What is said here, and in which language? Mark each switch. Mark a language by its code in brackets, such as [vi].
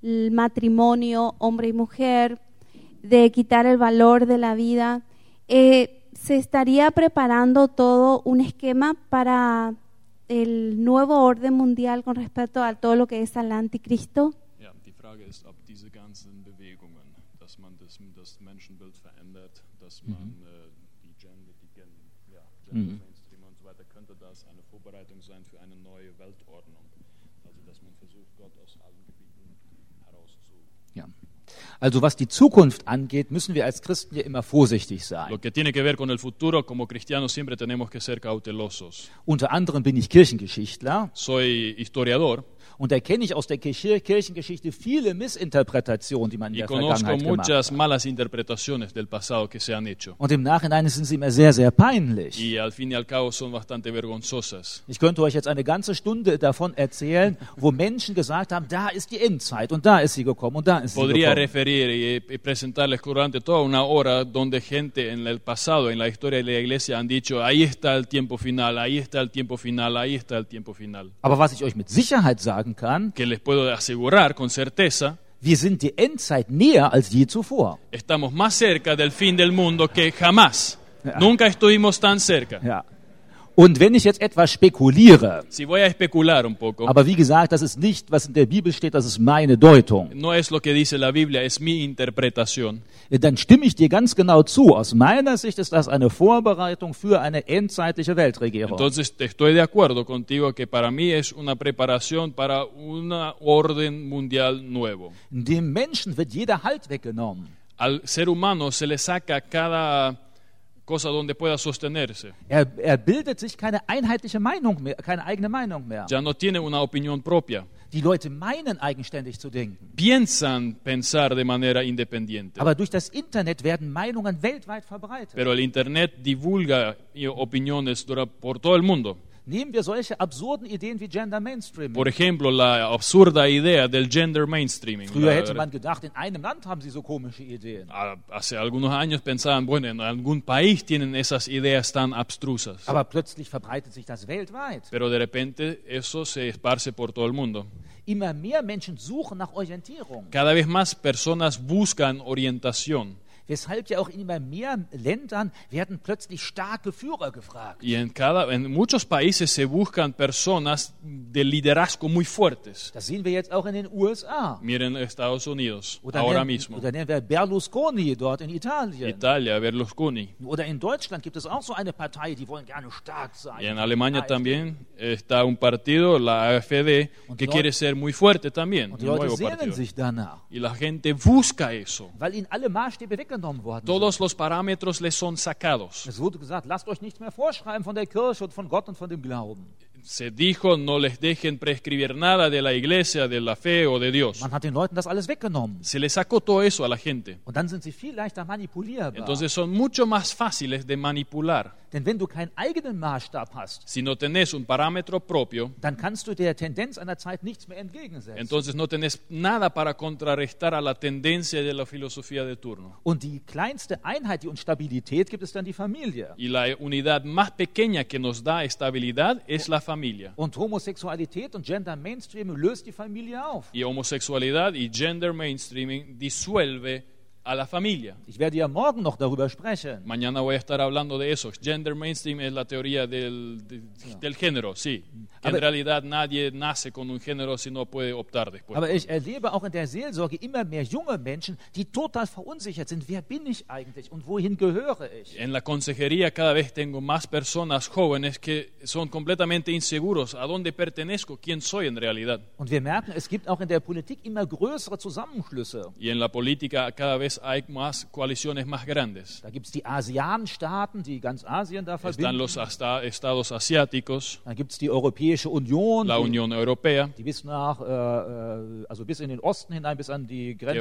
[es] matrimonio hombre y mujer, de quitar el valor de la vida, ¿se estaría preparando todo un esquema para el nuevo orden mundial con respecto a todo lo que es al anticristo? [de] Ja, die Frage ist, ob diese ganzen Bewegungen, dass man das Menschenbild verändert, dass man die Gender, Mainstream und so weiter, könnte das eine Vorbereitung sein für eine neue Weltordnung? Also, dass man versucht, Gott aus allen Gebieten herauszu. Ja. Also, was die Zukunft angeht, müssen wir als Christen ja immer vorsichtig sein. [es] Lo que tiene que ver con el futuro, como cristianos siempre tenemos que ser cautelosos. [de] Unter anderem bin ich Kirchengeschichtler. [es] Soy historiador. [de] Und erkenne ich aus der Kirchengeschichte viele Missinterpretationen, die man in der Vergangenheit gemacht hat. [es] Y conozco muchas malas interpretaciones del pasado que se han hecho. [de] Und im Nachhinein sind sie immer sehr, sehr peinlich. [es] Y al fin y al cabo son bastante vergonzosas. [de] Ich könnte euch jetzt eine ganze Stunde davon erzählen, wo Menschen gesagt haben, da ist die Endzeit und da ist sie gekommen und da ist sie [es] Podría [de] gekommen. [es] Referir y presentarles durante toda una hora donde gente en el pasado, en la historia de la iglesia, han dicho, ahí está el tiempo final, ahí está el tiempo final, ahí está el tiempo final. [de] Aber was ich euch mit Sicherheit sage, kann, [es] que les puedo asegurar con certeza, [de] wir sind die Endzeit näher als je zuvor. [es] Estamos más cerca del fin del mundo que jamás. [de] Ja. [es] Nunca estuvimos tan cerca. [de] Ja. Und wenn ich jetzt etwas spekuliere, [es] si voy a especular un poco, [de] aber wie gesagt, das ist nicht, was in der Bibel steht, das ist meine Deutung. [es] No es lo que dice la Biblia, es mi interpretación. [de] Dann stimme ich dir ganz genau zu. Aus meiner Sicht ist das eine Vorbereitung für eine endzeitliche Weltregierung. [es] Entonces estoy de acuerdo contigo que para mí es una preparación para un orden mundial nuevo. [de] Dem Menschen wird jeder Halt weggenommen. [es] Al ser humano se le saca cada cosa donde pueda sostenerse. [de] Er bildet sich keine einheitliche Meinung mehr, keine eigene Meinung mehr. [es] Ya no tiene una opinión propia. [de] Die Leute meinen eigenständig zu denken. [es] Piensan pensar de manera independiente. [de] Aber durch das Internet werden Meinungen weltweit verbreitet. [es] Pero el Internet divulga opiniones por todo el mundo. [de] Nehmen wir solche absurden Ideen wie Gender Mainstreaming. [es] Por ejemplo, la absurda idea del gender mainstreaming. [de] Früher hätte man gedacht, in einem Land haben sie so komische Ideen. [es] Hace algunos años pensaban, bueno, en algún país tienen esas ideas tan abstrusas. [de] Aber plötzlich verbreitet sich das weltweit. [es] Pero de repente eso se esparce por todo el mundo. [de] Immer mehr Menschen suchen nach Orientierung. [es] Cada vez más personas buscan orientación. [de] Weshalb ja auch in immer mehr Ländern werden plötzlich starke Führer gefragt. [es] En muchos países se buscan personas de liderazgo muy fuertes. [de] Das sehen wir jetzt auch in den USA. [es] Miren Estados Unidos, ahora mismo. [de] Oder nennen wir Berlusconi dort in Italien. [es] Italia, Berlusconi. [de] Oder in Deutschland gibt es auch so eine Partei, die wollen gerne stark sein. [es] Y en Alemania también está un partido, la AfD, [de] und [es] que quiere ser muy fuerte también. [de] Und die Leute sehnen sich danach. [es] Y la gente busca eso. [de] Weil in alle Maßstäbe weggenommen worden. [es] Todos los parámetros les son sacados. [de] Es wurde gesagt, lasst euch nicht mehr vorschreiben von der Kirche und von Gott und von dem Glauben. [es] Se dijo, no les dejen prescribir nada de la iglesia, de la fe o de Dios. [de] Man hat den Leuten das alles weggenommen. [es] Se les sacó todo eso a la gente. [de] Und dann sind sie viel leichter manipulierbar. [es] Entonces son mucho más fáciles de manipular. [de] Denn wenn du keinen eigenen Maßstab hast, [es] si no tenés un parámetro propio, [de] dann kannst du der Tendenz einer Zeit nichts mehr entgegensetzen. [es] Entonces no tenés nada para contrarrestar a la tendencia de la filosofía de turno. [de] Und die kleinste Einheit, die uns Stabilität gibt, ist dann die Familie. [es] Y la unidad más pequeña que nos da estabilidad es la familia. [de] Und Homosexualität und Gender Mainstreaming löst die Familie auf. [es] Y homosexualidad y gender mainstreaming disuelve a la familia. [de] Ich werde ja morgen noch darüber sprechen. [es] Mañana voy a estar hablando de eso. Gender mainstream es la teoría del género, sí. En realidad nadie nace con un género, sino puede optar después. [de] Aber ich erlebe auch in der Seelsorge immer mehr junge Menschen, die total verunsichert sind. Wer bin ich eigentlich und wohin gehöre ich? [es] En la consejería cada vez tengo más personas jóvenes que son completamente inseguros. ¿A dónde pertenezco? ¿Quién soy en realidad? [de] Und wir merken, es gibt auch in der Politik immer größere Zusammenschlüsse. [es] Y en la política cada vez hay más coaliciones más grandes. [de] Da gibt's die ASEAN-Staaten, die ganz Asien da verbinden. [es] Están los estados asiáticos. [de] Da gibt's die Europäische Union. [es] La Unión Europea. [de] Die bis nach, also bis in den Osten hinein, bis an die Grenze.